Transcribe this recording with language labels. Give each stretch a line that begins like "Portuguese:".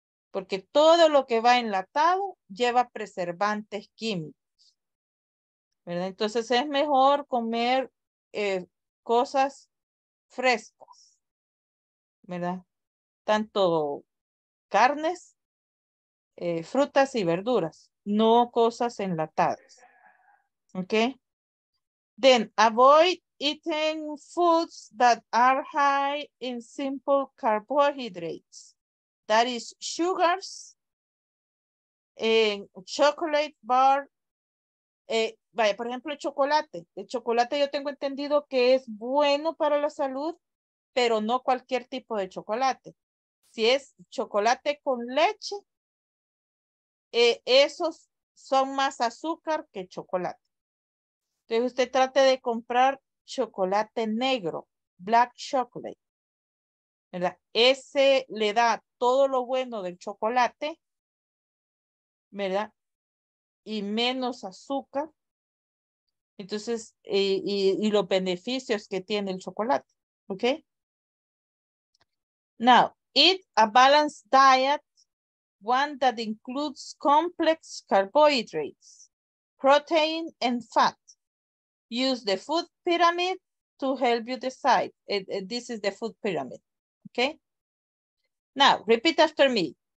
Spanish: Porque todo lo que va enlatado lleva preservantes químicos, ¿verdad? Entonces es mejor comer cosas frescas, ¿verdad? Tanto carnes, frutas y verduras, no cosas enlatadas. ¿Ok?
English: Then, avoid eating foods that are high in simple carbohydrates. That is sugars, and chocolate bar.
Spanish: Vaya, por ejemplo, el chocolate. El chocolate yo tengo entendido que es bueno para la salud, pero no cualquier tipo de chocolate. Si es chocolate con leche, esos son más azúcar que chocolate. Entonces usted trate de comprar chocolate negro,
English: black chocolate,
Spanish: ¿verdad? Ese le da todo lo bueno del chocolate, ¿verdad? Y menos azúcar. Entonces, y los beneficios que tiene el chocolate, ¿ok?
English: Now, eat a balanced diet, one that includes complex carbohydrates, protein and fat. Use the food pyramid to help you decide. This is the food pyramid. Okay? Now, repeat after me.